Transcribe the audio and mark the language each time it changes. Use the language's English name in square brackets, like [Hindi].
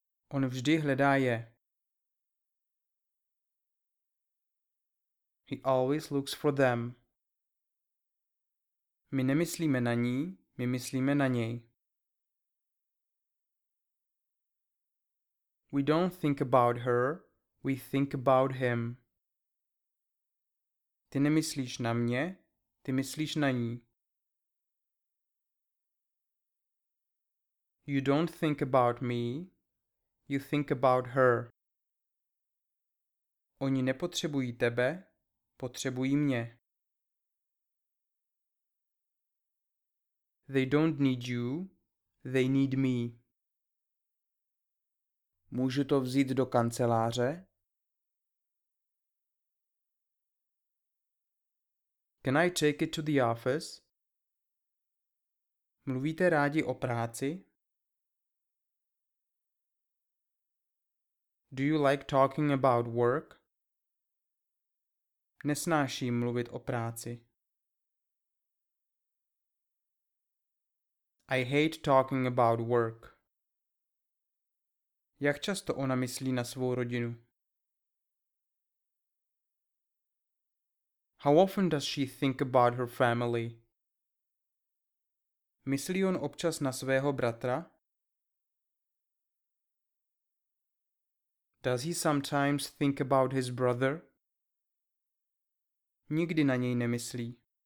[Czech] On vždy hledá je. [English] He always looks for them. [Czech] My nemyslíme na ní, my myslíme na něj. [English] We don't think about her, we think about him. [Czech] Ty nemyslíš na mě, ty myslíš na ní. [English] You don't think about me, you think about her. [Czech] Oni nepotřebují tebe, potřebují mě. [English] They don't need you, they need me. [Czech] Můžu to vzít do kanceláře? [English] Can I take it to the office? [Czech] Mluvíte rádi o práci? [English] Do you like talking about work? [Czech] Nesnáším mluvit o práci. [English] I hate talking about work. [Czech] Jak často ona myslí na svou rodinu? [English] How often does she think about her family? [Czech] Myslí on občas na svého bratra? [English] Does he sometimes think about his brother? [Czech] Nikdy na něj nemyslí.